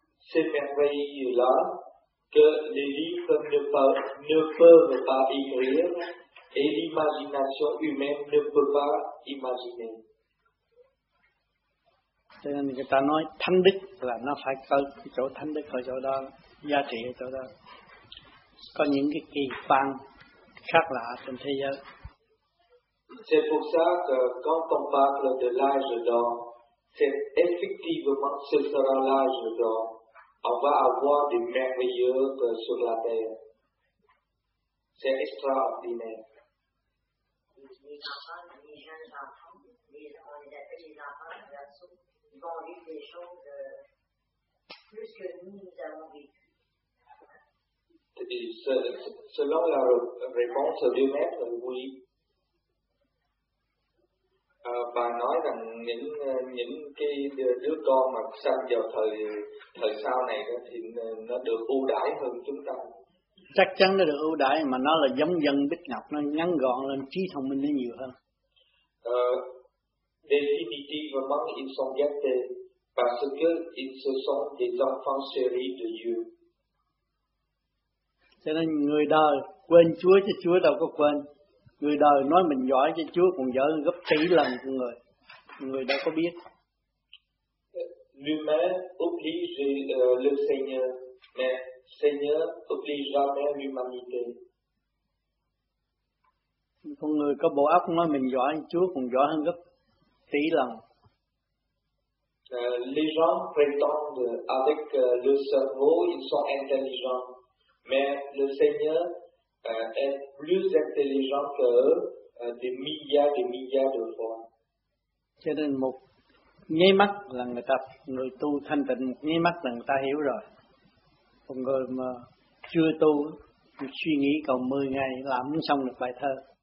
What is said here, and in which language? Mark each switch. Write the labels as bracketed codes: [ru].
[fr] Ces merveilles-là que les livres ne peuvent pas écrire et l'imagination humaine ne peut pas imaginer. [vi] Cho nên người ta nói thánh đức là nó phải có chỗ thánh đức ở chỗ đó, giá trị ở chỗ đó. Có những cái kỳ quan khác lạ trên thế giới. [fr] C'est pour ça que quand on parle de l'âge d'or, c'est effectivement ce sera l'âge d'or. On va avoir des merveilleux sur la terre. C'est extraordinaire. Les enfants, les jeunes enfants, on les appelle les enfants du Verseau, ils vont vivre des choses plus que nous avons vécu. Selon la réponse du maître, oui. [vi] Bà nói rằng những cái đứa con mà sanh vào thời sau này đó thì nó được ưu đãi hơn chúng ta. chắc chắn nó được ưu đãi, mà nó là giống dân Bích Ngọc, nó ngắn gọn lên, trí thông minh nó nhiều hơn. [fr] Définitivement, ils sont gâtés parce qu'ils se sont des enfants chéris de Dieu. [vi] Cho nên người đời quên Chúa chứ Chúa đâu có quên. Người đời nói mình giỏi cho Chúa còn giỏi gấp tỷ lần của người. Người đâu có biết. [fr] L'humain oblige le Seigneur, mais Seigneur oblige jamais l'humanité. [vi] Con người có bộ óc nói mình giỏi hơn Chúa còn giỏi hơn gấp tỷ lần. [fr] Les gens prétendent avec le cerveau ils sont intelligents, mais le Seigneur est plus intelligent que eux des milliards et milliards de fois. [vi] Cho nên một nháy mắt là người ta người tu thanh tịnh, một nháy mắt là người ta hiểu rồi. Còn người mà chưa tu suy nghĩ còn 10 ngày làm không xong được bài thơ.